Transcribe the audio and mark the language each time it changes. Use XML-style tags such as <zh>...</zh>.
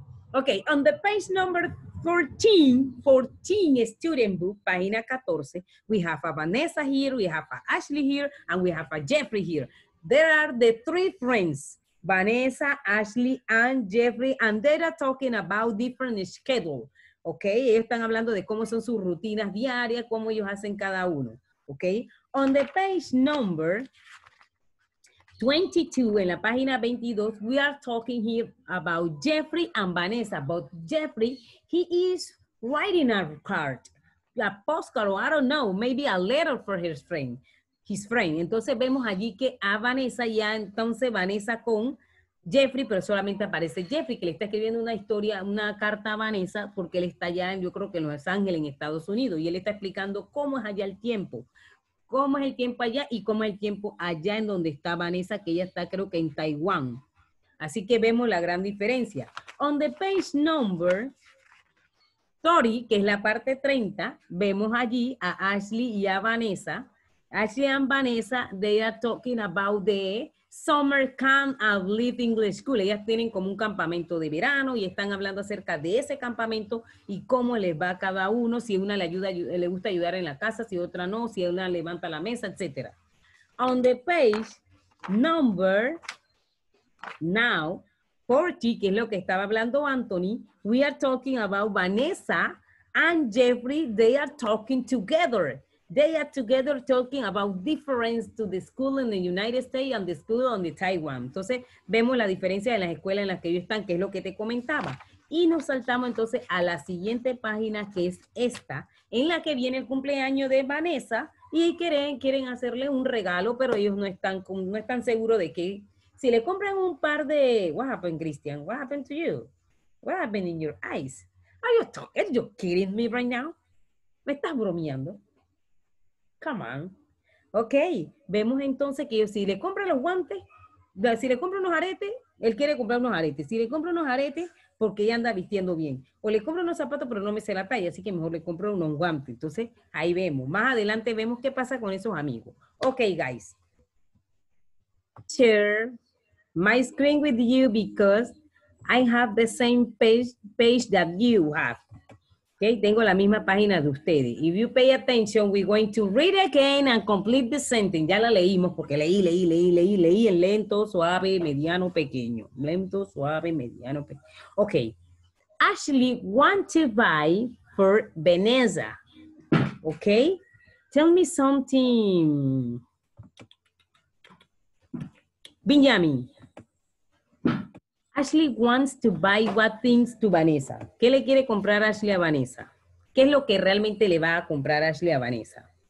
<en>Okay, on the page number 14, student book,</en> <es>página 14,</es> <en>we have a Vanessa here, we have a Ashley here, and we have a Jeffrey here. There are the three friends. Vanessa, Ashley, and Jeffrey, and they're talking about different schedule, okay?</en> <es>Ellos están hablando de cómo son sus rutinas diarias, cómo ellos hacen cada uno, okay?</es> <en>On the page number 22,</en> <es>en la página 22,</es> <en>we are talking here about Jeffrey and Vanessa, but Jeffrey, he is writing a card, a postcard, or I don't know, maybe a letter for his friend.</en> <es>Entonces vemos allí que a Vanessa ya entonces Vanessa con Jeffrey, pero solamente aparece Jeffrey que le está escribiendo una historia, una carta a Vanessa porque él está allá, yo creo que en Los Ángeles, en Estados Unidos, y él está explicando cómo es allá el tiempo. Cómo es el tiempo allá y cómo es el tiempo allá en donde está Vanessa, que ella está creo que en Taiwán. Así que vemos la gran diferencia.</es> <en>On the page number 30,</en> <es>que es la parte 30, vemos allí a Ashley y a Vanessa.</es> <en>Ashley and Vanessa, they are talking about the summer camp at Leith English School.</en> <es>Ellas tienen como un campamento de verano y están hablando acerca de ese campamento y cómo les va a cada uno, si una le gusta ayudar en la casa, si otra no, si una levanta la mesa, etc.</es> <en>On the page number now 40,</en> <es>que es lo que estaba hablando Anthony,</es> <en>we are talking about Vanessa and Jeffrey, they are talking together. They are together talking about difference to the school in the United States and the school on the Taiwan.</en> <es>Entonces, vemos la diferencia de las escuelas en las que ellos están, que es lo que te comentaba. Y nos saltamos entonces a la siguiente página, que es esta, en la que viene el cumpleaños de Vanessa y quieren hacerle un regalo, pero ellos no están seguros de que si le compran un par de...</es> <en>What happened, Christian? What happened to you? What happened in your eyes? Are you kidding me right now?</en> <es>¿Me estás bromeando?</es> <en>Come on.</en> <es>Ok, vemos entonces que si le compra los guantes, si le compra unos aretes, él quiere comprar unos aretes. Si le compra unos aretes, porque ella anda vistiendo bien. O le compra unos zapatos, pero no me sé la talla, así que mejor le compro unos guantes. Entonces, ahí vemos. Más adelante vemos qué pasa con esos amigos.</es> <en>Ok, guys. Share my screen with you because I have the same page that you have. Okay,</en> <es>tengo la misma página de ustedes.</es> <en>If you pay attention, we're going to read again and complete the sentence.</en> <es>Ya la leímos porque leí en lento, suave, mediano, pequeño. Lento, suave, mediano, pequeño.</es> <en>Okay. Ashley wants to buy for Vanessa. Okay. Tell me something. Benjamin. Ashley wants to buy what things to Vanessa.</en> <es>¿Qué le quiere comprar Ashley a Vanessa? ¿Qué es lo que realmente le va a comprar Ashley a Vanessa?</es>